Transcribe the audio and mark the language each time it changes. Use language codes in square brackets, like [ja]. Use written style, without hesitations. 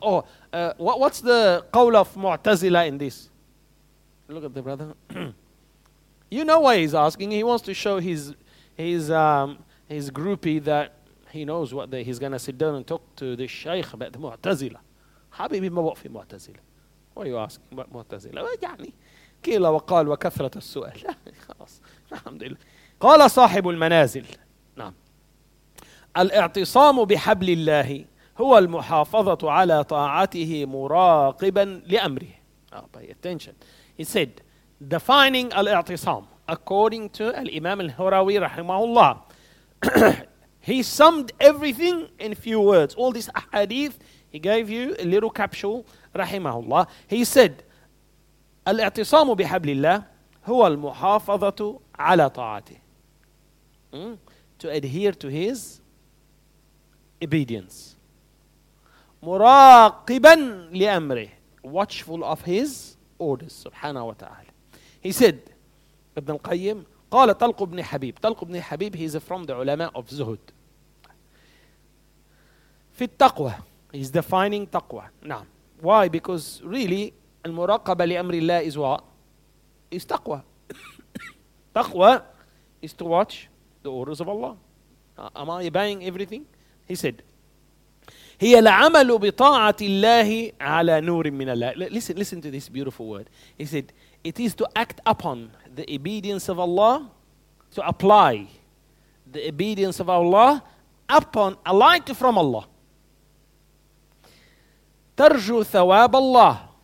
[en] Or what's the qawl of Mu'tazila in this? Look at the brother. You know why he's asking. He wants to show his groupie that he knows what he's going to sit down and talk to the Shaykh about the Mu'tazila. [ar] Habibi ma waqfi Mu'tazila. [en] What are you asking about Mu'tazila? [ar] كيل وقال وكثرة السؤال خلاص الحمد لله قال صاحب المنازل نعم الاعتصام بحبل الله هو المحافظة على طاعته مراقبا لأمره [en] oh, pay attention. He said defining الاعتصام according to الإمام الهروي رحمه الله he summed everything in few words all this hadith he gave you a little capsule رحمه الله he said [ar] الاعتصام بحبل الله هو المحافظة على طاعته. [en] To adhere to his obedience. [ar] مراقبا لأمره. [en] Watchful of his orders. سبحانه وتعالى. [ar] He said, ابن القيم قال طلق بن حبيب. [en] طلق بن حبيب, he is from the ulama of Zuhud. [ar] في التقوى. [en] He is defining تقوى. نعم. Why? Because really, [ar] المراقبة لأمر الله [en] is what? Is taqwa. Taqwa is to watch the orders of Allah. Am I obeying everything? [ar] He said, هي العمل بطاعة الله على نور من الله. [en] Listen to this beautiful word. He said, it is to act upon the obedience of Allah, to apply the obedience of Allah upon a light from Allah. [ar] ترجو ثواب الله.